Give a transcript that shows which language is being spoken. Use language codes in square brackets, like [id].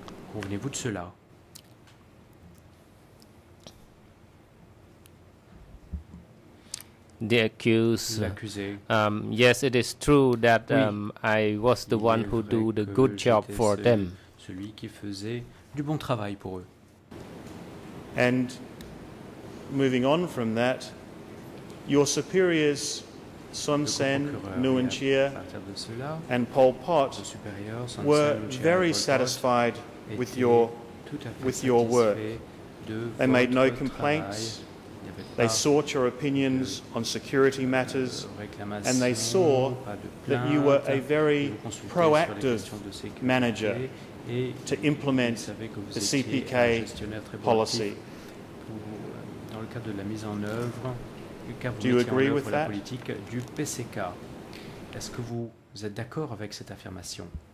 [fr] Convenez-vous de cela? [en] The accused. Yes, it is true that I was the one who do the good job for them. [fr] Celui qui faisait du bon travail pour eux. [en] And moving on from that, your superiors, Sun Sen, Nguyen Chia, and Pol Pot, were very satisfied with your work. They made no complaints. They sought your opinions on security matters, and they saw that you were a very proactive manager to implement the CPK policy. [fr] Dans le cadre de la mise en œuvre, car vous mettiez en œuvre la [en] that? [fr] Politique du PCK. Est-ce que vous êtes d'accord avec cette affirmation?